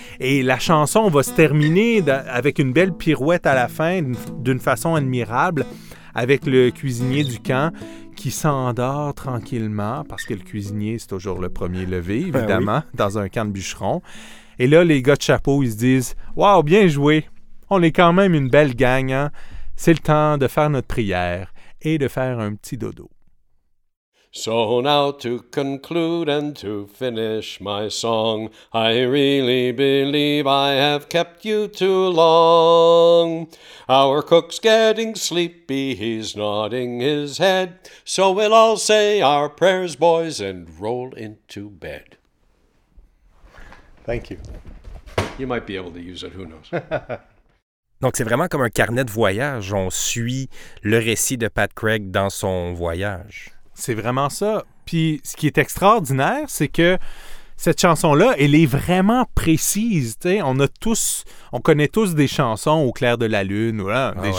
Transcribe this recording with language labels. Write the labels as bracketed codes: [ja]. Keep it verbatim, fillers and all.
[fr] Et la chanson va se terminer d'a- avec une belle pirouette à la fin, d'une, d'une façon admirable, avec le cuisinier du camp qui s'endort tranquillement, parce que le cuisinier, c'est toujours le premier levé, évidemment, ben oui. Dans un camp de bûcherons. Et là, les gars de Chapeau, ils se disent « Wow, bien joué! On est quand même une belle gang, hein? C'est le temps de faire notre prière et de faire un petit dodo. » [en] So now to conclude and to finish my song, I really believe I have kept you too long. Our cook's getting sleepy, he's nodding his head, so we'll all say our prayers, boys, and roll into bed. Thank you. You might be able to use it, who knows? [fr] Donc, c'est vraiment comme un carnet de voyage. On suit le récit de Pat Gregg dans son voyage. C'est vraiment ça. Puis ce qui est extraordinaire, c'est que cette chanson-là, elle est vraiment précise. T'sais, on a tous, on connaît tous des chansons au clair de la lune, ou là, ah des ouais.